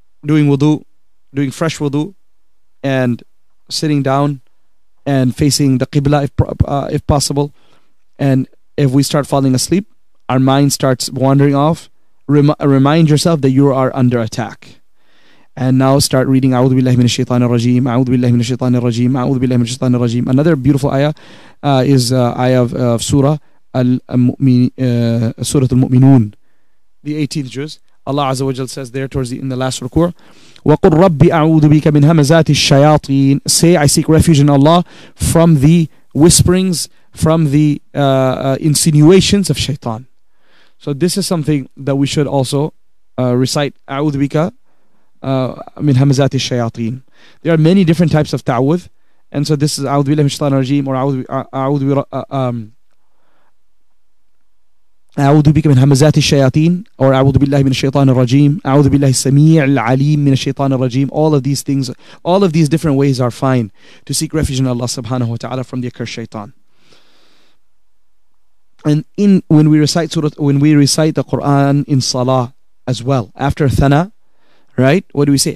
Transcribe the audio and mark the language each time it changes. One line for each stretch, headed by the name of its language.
English: Doing wudu, doing fresh wudu, and sitting down and facing the qibla if possible. And if we start falling asleep, our mind starts wandering off. Remind yourself that you are under attack. And now start reading
Arabic: أعوذ بالله من الشيطان الرجيم أعوذ بالله من الشيطان الرجيم أعوذ بالله من الشيطان الرجيم.
English: Another beautiful ayah is ayah of Surah Surah Al-Mu'minun, the 18th juz. Allah Azza wa Jal says there towards the, in the last ruku',
Arabic: وَقُلْ رَبِّ أَعُوذُ بِكَ مِنْ هَمَزَاتِ الشَّيَاطِينَ.
English: Say, I seek refuge in Allah from the whisperings, from the insinuations of shaitan. So this is something that we should also recite,
Arabic: أَعُوذُ بِكَ مِنْ هَمَزَاتِ الشَّيَاطِينَ.
English: There are many different types of ta'awudh, and so this is
Arabic: أَعُوذُ بِاللَّهِ مِنْ الشَّيْطَانِ الرَّجِيمِ, or أَعُوذُ أعوذ بك من همزات الشياطين, or أعوذ بالله من الشيطان الرجيم, أعوذ بالله السميع العليم من الشيطان الرجيم.
English: All of these things, all of these different ways are fine to seek refuge in Allah subhanahu wa ta'ala from the accursed shaitan. And in when we recite surah, when we recite the Quran in salah as well, after thana, right, what do we say?